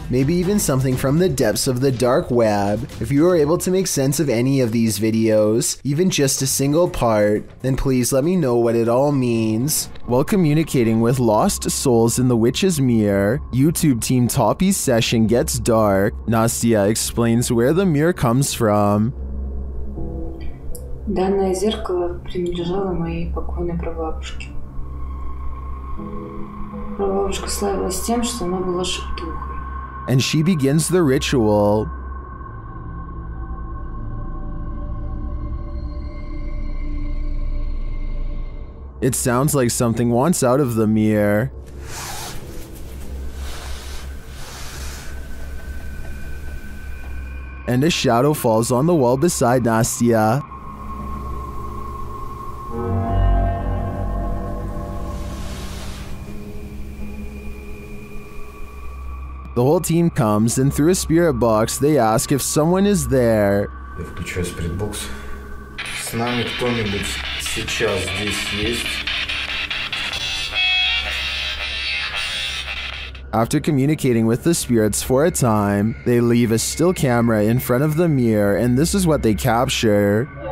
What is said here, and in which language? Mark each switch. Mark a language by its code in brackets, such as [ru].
[en] Maybe even something from the depths of the dark web. If you are able to make sense of any of these videos, even just a single part, then please let me know what it all means. While communicating with lost souls in the Witch's Mirror, YouTube team Toppy's session gets dark. Nastia explains where the mirror comes from. [ru] Данное зеркало принадлежало моей покойной прабабушке. Прабабушка славилась тем, что она была шептухой. [en] And she begins the ritual. It sounds like something wants out of the mirror. And a shadow falls on the wall beside Nastia. The whole team comes, and through a spirit box, they ask if someone is there. [ru] Я включаю spirit box. С нами кто-нибудь сейчас здесь есть? [en] After communicating with the spirits for a time, they leave a still camera in front of the mirror, and this is what they capture.